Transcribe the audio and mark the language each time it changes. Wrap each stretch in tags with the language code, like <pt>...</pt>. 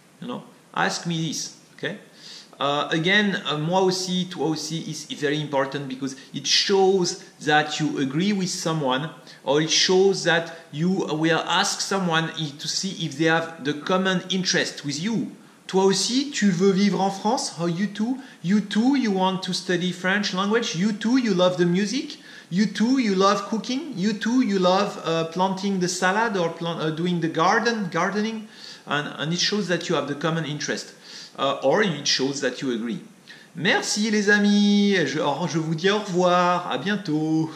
<en>You know, ask me this, okay?</en> <fr>Moi aussi, toi aussi</fr> <en>is very important because it shows that you agree with someone or it shows that you will ask someone to see if they have the common interest with you.</en> <fr>Toi aussi, tu veux vivre en France?</fr> <en>Oh, you too? You too, you want to study French language? You too, you love the music? You too, you love cooking? You too, you love planting the salad or doing the gardening? And it shows that you have the common interest. Or it shows that you agree.</en> <fr>Merci les amis, je vous dis au revoir, à bientôt.</fr>